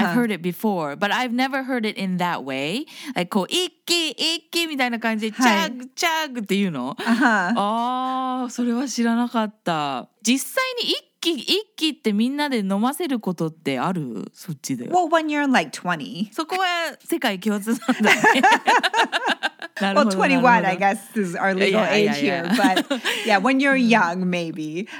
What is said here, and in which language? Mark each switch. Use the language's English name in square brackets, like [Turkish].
[English] I've heard it before, but I've never heard it in that way. [Japanese] Like, こう、一気、一気みたいな感じで、chug, chug って言うの? Uh-huh. ああ、それは知らなかった。実際に一気、一気ってみんなで飲ませることってある? そっちで。 [English] Well, when you're like 20. [Japanese] そこは世界共通なんだね。 [English] Well, 21, I guess, is our legal age here. But yeah, when you're young, maybe.